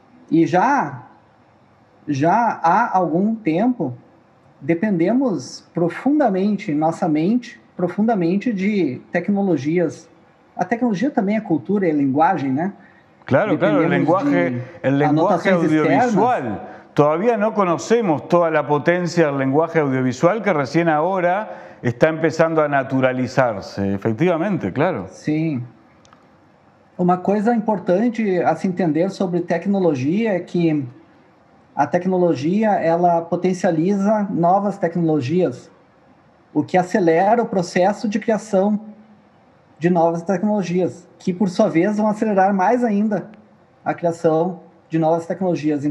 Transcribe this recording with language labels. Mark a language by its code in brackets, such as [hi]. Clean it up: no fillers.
[pt] E já há algum tempo, dependemos profundamente, nossa mente, profundamente de tecnologias. A tecnologia também é cultura, é linguagem, né? Claro, dependemos claro, o lenguaje audiovisual. Externas. [es] Todavía no conocemos toda la potencia del lenguaje audiovisual que recién ahora está empezando a naturalizarse, efectivamente, claro. [pt] Sim. Uma coisa importante a se entender sobre tecnologia é que a tecnologia, ela potencializa novas tecnologias, o que acelera o processo de criação de novas tecnologias, que, por sua vez, vão acelerar mais ainda a criação de novas tecnologias.